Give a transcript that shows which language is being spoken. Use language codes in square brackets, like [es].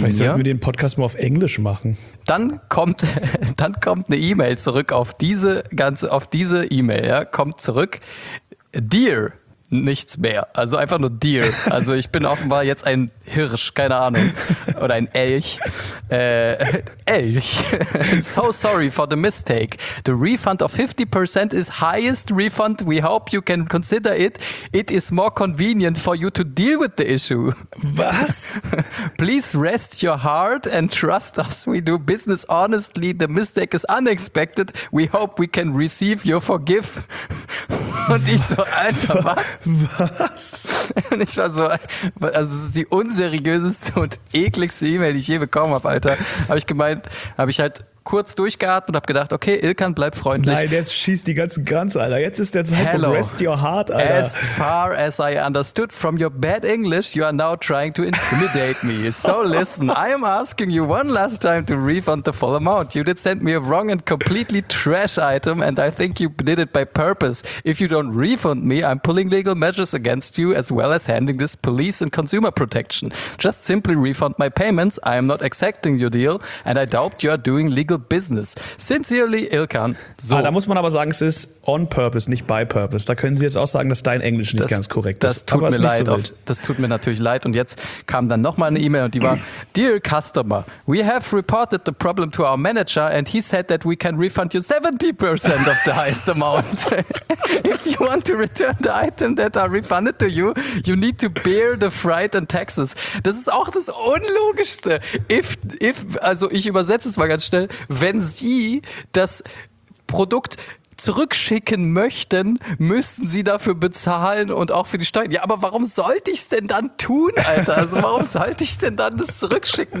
[de] vielleicht sollten wir den Podcast mal auf Englisch machen. Dann kommt eine E-Mail zurück auf diese E-Mail, ja, kommt zurück. Dear, nichts mehr. Also einfach nur Deer. Also ich bin offenbar jetzt ein Hirsch, keine Ahnung. Oder ein Elch. Elch. [en] So sorry for the mistake. The refund of 50% is highest refund. We hope you can consider it. It is more convenient for you to deal with the issue. [de] Was? [en] Please rest your heart and trust us. We do business honestly. The mistake is unexpected. We hope we can receive your forgive. [de] Und ich so, Alter, was? Und ich war so, also es ist die unseriöseste und ekligste E-Mail, die ich je bekommen habe, Alter. Habe ich gemeint, habe ich halt kurz durchgeatmet und habe gedacht, okay, Ilkan, bleib freundlich. Nein, jetzt schießt die ganzen Guns, Alter. Jetzt ist der Zeitpunkt, [en] rest your heart, [de] Alter. [en] As far as I understood from your bad English, you are now trying to intimidate me. So listen, I am asking you one last time to refund the full amount. You did send me a wrong and completely trash item and I think you did it by purpose. If you don't refund me, I'm pulling legal measures against you as well as handing this police and consumer protection. Just simply refund my payments. I am not accepting your deal and I doubt you are doing legal Business. Sincerely, Ilkan. [de] So. Ah, da muss man aber sagen, es ist on purpose, nicht by purpose. Da können Sie jetzt auch sagen, dass dein Englisch nicht ganz korrekt das ist. Das tut mir leid. So das tut mir natürlich leid. Und jetzt kam dann nochmal eine E-Mail und die war: [en] Dear customer, we have reported the problem to our manager and he said that we can refund you 70% of the highest amount. If you want to return the item that are refunded to you, you need to bear the freight and taxes. [de] Das ist auch das Unlogischste. Also ich übersetze es mal ganz schnell. Wenn Sie das Produkt zurückschicken möchten, müssten Sie dafür bezahlen und auch für die Steuern. Ja, aber warum sollte ich es denn dann tun, Alter? Also warum sollte ich denn dann das zurückschicken?